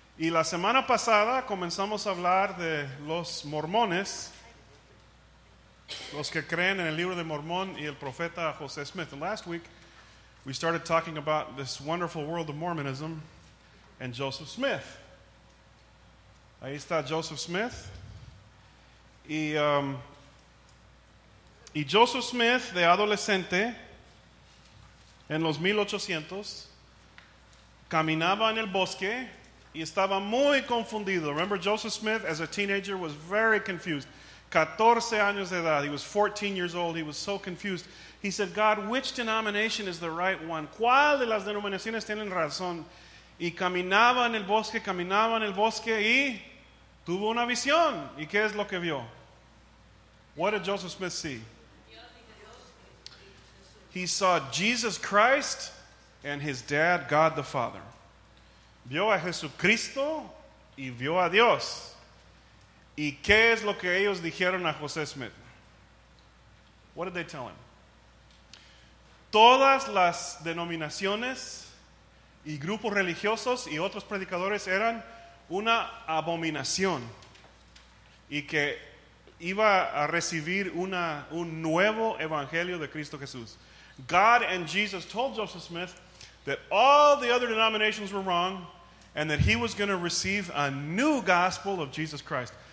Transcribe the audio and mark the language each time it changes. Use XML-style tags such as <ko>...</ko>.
<es>Y la semana pasada comenzamos a hablar de los mormones, los que creen en el libro de Mormón y el profeta José Smith.</es> <en>And last week we started talking about this wonderful world of Mormonism and Joseph Smith.</en> <es>Ahí está Joseph Smith. Y Joseph Smith, de adolescente, en los 1800, caminaba en el bosque y estaba muy confundido.</es> <en>Remember, Joseph Smith, as a teenager, was very confused.</en> <es>14 años de edad.</es> <en>He was 14 years old. He was so confused. He said, God, which denomination is the right one?</en> <es>¿Cuál de las denominaciones tienen razón? Y caminaba en el bosque, caminaba en el bosque, y tuvo una visión. ¿Y qué es lo que vio?</es> <en>What did Joseph Smith see? He saw Jesus Christ and his dad, God the Father.</en> <es>Vio a Jesucristo y vio a Dios. ¿Y qué es lo que ellos dijeron a José Smith?</es> <en>What did they tell him?</en> <es>Todas las denominaciones y grupos religiosos y otros predicadores eran una abominación, y que iba a recibir un nuevo evangelio de Cristo Jesús.</es> <en>God and Jesus told Joseph Smith that all the other denominations were wrong and that he was going to receive a new gospel of Jesus Christ.</en>